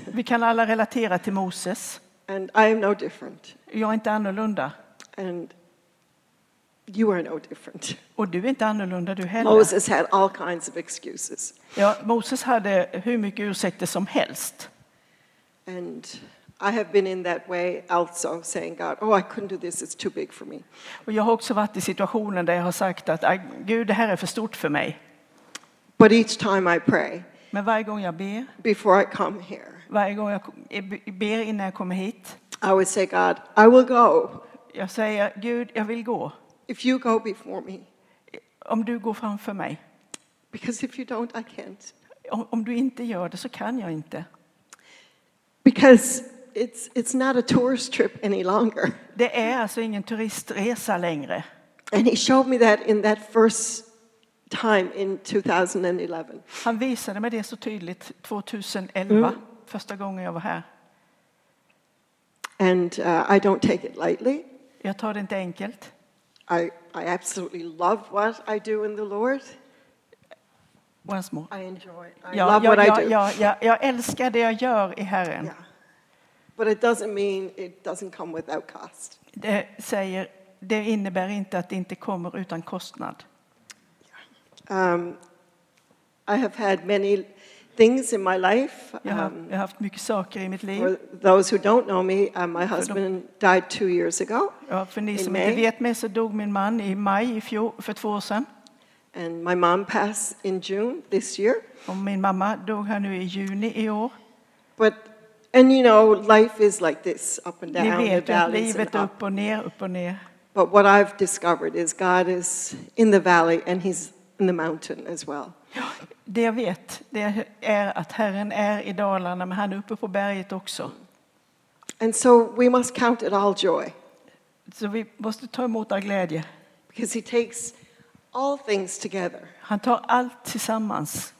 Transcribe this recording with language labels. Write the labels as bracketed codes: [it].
[sv] Vi kan alla relatera till Moses. [en] And I am no different. [sv] Jag är inte annorlunda. [en] And you are no different. [sv] Och du är inte annorlunda du heller. [en] Moses had all kinds of excuses. [sv] Ja, Moses hade hur mycket ursäkter som helst. [en] And I have been in that way also saying God, oh I couldn't do this, it's too big for me. [sv] Och jag har också varit i situationen där jag har sagt att Gud det här är för stort för mig. [en] But each time I pray. [sv] Men varje gång jag ber. [en] Before I come here. [sv] Varje gång jag ber innan jag kommer hit. [en] I would say God, I will go. [sv] Jag säger Gud, jag vill gå. [en] If you go before me. [sv] Om du går framför mig. [en] Because if you don't, I can't. [sv] Om du inte gör det så kan jag inte. [en] Because it's not a tourist trip any longer. [sv] Det är alltså ingen turistresa längre. [en] And he showed me that in that first time in 2011. [sv] Han visade mig det så tydligt 2011. Första gången jag var här. [en] And I don't take it lightly. [sv] Jag tar det inte enkelt. [en] I absolutely love what I do in the Lord. Once more. I enjoy. I love what I do. [sv] Jag älskar det jag gör i Herren. [en] Yeah. But it doesn't mean it doesn't come without cost. [sv] Det innebär inte att det inte kommer utan kostnad. [en] I have had many things in my life. [sv] Jag har haft mycket saker i mitt liv. [en] For those who don't know me, my husband died 2 years ago. [sv] Ja, för ni som inte vet mig så dog min man i maj för 2 år sedan. [en] And my mom passed in June this year. [sv] Och min mamma dog här nu i juni i år. [en] But and you know, life is like this, up and down. [sv] Ni vet att livet är upp och ner, upp och ner. [en] But what I've discovered is God is in the valley and he's in the mountain as well. [sv] Det jag vet det är att Herren är i Dalarna men han är uppe på berget också. [en] And so we must count it all joy. [sv] Så vi måste ta emot all glädje. [en] Because he takes all things together. [sv] Han tar allt tillsammans.